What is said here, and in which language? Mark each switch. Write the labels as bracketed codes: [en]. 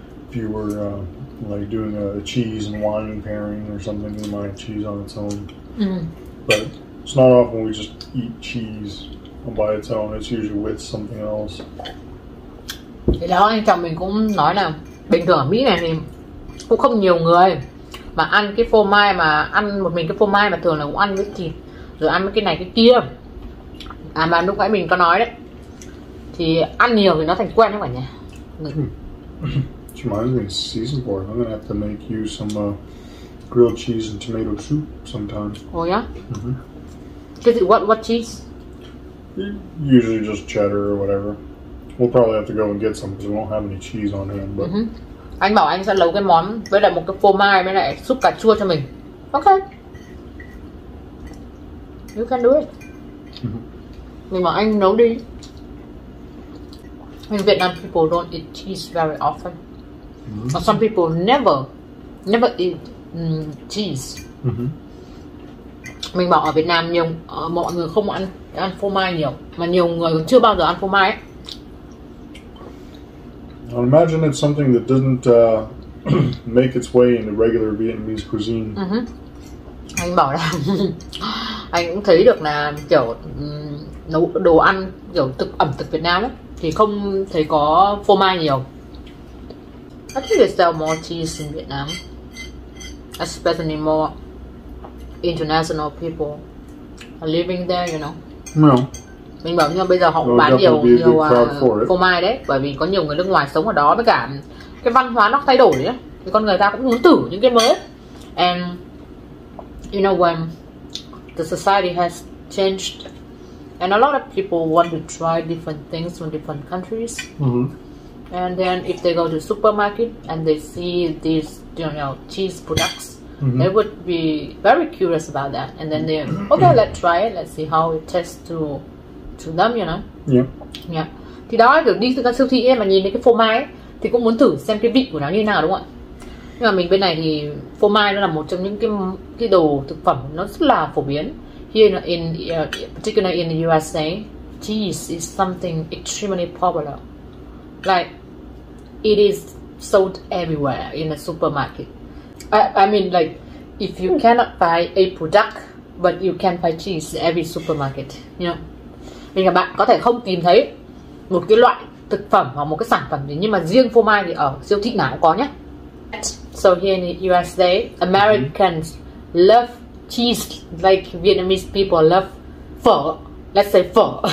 [en] If you were like doing a cheese and wine pairing or something, you might have cheese on its own. But it's not often we just eat cheese by its own. It's usually with something else. [vi] Thì đó, anh chồng mình cũng nói là bình thường ở Mỹ này thì cũng không nhiều người mà ăn cái phô mai, mà ăn một mình cái phô mai mà thường là cũng ăn với thịt rồi ăn với cái này cái kia. À mà lúc nãy mình có nói đấy, thì ăn nhiều thì nó thành quen không cả nhà. [en] Reminds me of season four. I'm gonna have to make you some grilled cheese and tomato soup sometime. Oh yeah. Is it what cheese? Usually just cheddar or whatever. We'll probably have to go and get some because we won't have any cheese on hand. But [vi] anh bảo anh sẽ nấu cái món với lại một cái phô mai với lại súp cà chua cho mình. [en] Okay. You can do it. [vi] Nhưng mà anh nấu đi. [en] In Vietnam, people don't eat cheese very often. Some people never eat cheese. [vi] Mình bảo ở Việt Nam nhiều mọi người không ăn phô mai nhiều, mà nhiều người chưa bao giờ ăn phô mai ấy. [en] I imagine it's something that doesn't make its way into regular Vietnamese cuisine. [vi] Anh bảo là anh cũng thấy được là kiểu nấu đồ ăn kiểu ẩm thực Việt Nam ấy, thì không thấy có phô mai nhiều. [en] I think they sell more cheese in Vietnam, especially more international people are living there, you know. Yeah. [vi] Mình bảo nhưng bây giờ họ cũng bán nhiều phô mai đấy, bởi vì có nhiều người nước ngoài sống ở đó, với cả cái văn hóa nó thay đổi đấy, thì con người ta cũng muốn thử những cái mới. [en] And you know when the society has changed, and a lot of people want to try different things from different countries. And then if they go to supermarket and they see these, you know, cheese products, they would be very curious about that. And then they, okay, let's try it. Let's see how it tastes to them, you know. Yeah. Yeah. [vi] Thì đó, kiểu đi từ các siêu thị ấy, mà nhìn thấy cái phô mai ấy, thì cũng muốn thử xem cái vị của nó như thế nào, đúng không ạ? Nhưng mà mình bên này thì phô mai nó là một trong những cái đồ thực phẩm nó rất là phổ biến. [en] Here in particularly in the USA, cheese is something extremely popular. Like, it is sold everywhere in the supermarket. I mean, like, if you cannot buy a product, but you can buy cheese in every supermarket, you know. [vi] Mình và bạn có thể không tìm thấy một cái loại thực phẩm hoặc một cái sản phẩm gì, nhưng mà riêng phô mai thì ở siêu thị nào cũng có nhé. [en] So here in the USA, Americans love cheese like Vietnamese people love phở. Let's say phở.